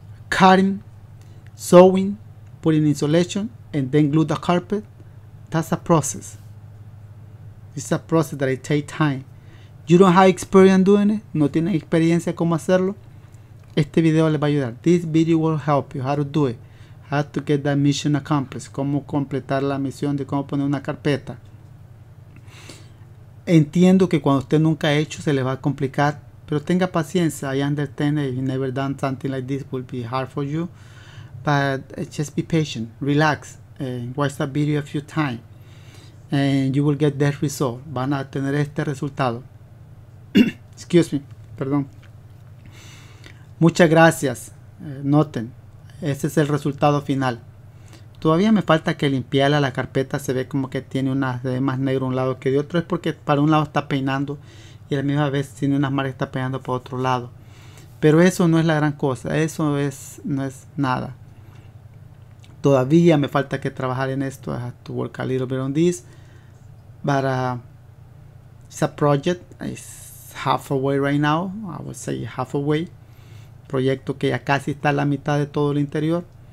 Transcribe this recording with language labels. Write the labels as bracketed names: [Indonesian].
[English] Cutting, sewing, putting insulation, and then glue the carpet. That's a process. This is a process that it takes time. You don't have experience doing it. [Spanish] No tienen experiencia cómo hacerlo. Este video les va a ayudar. [English] This video will help you how to do it. How to get that mission accomplished. [Spanish] Cómo completar la misión de cómo poner una carpeta. Entiendo que cuando usted nunca ha hecho se le va a complicar, pero tenga paciencia. [English] I understand that if you've never done something like this, it will be hard for you. But just be patient, relax, and watch the video a few times, and you will get that result. [Spanish] Van a tener este resultado. [English] Excuse me, [Spanish] perdón. Muchas gracias. Noten, ese es el resultado final. Todavía me falta que limpiarla, la carpeta se ve como que tiene una de más negro un lado que de otro. Es porque para un lado está peinando y a la misma vez tiene unas marcas que está peinando para otro lado. Pero eso no es la gran cosa, eso es, no es nada. Todavía me falta que trabajar en esto, [English] I have to work a little bit on this. But it's a project, it's half away right now, I would say half away. [Spanish] Proyecto que ya casi está a la mitad de todo el interior.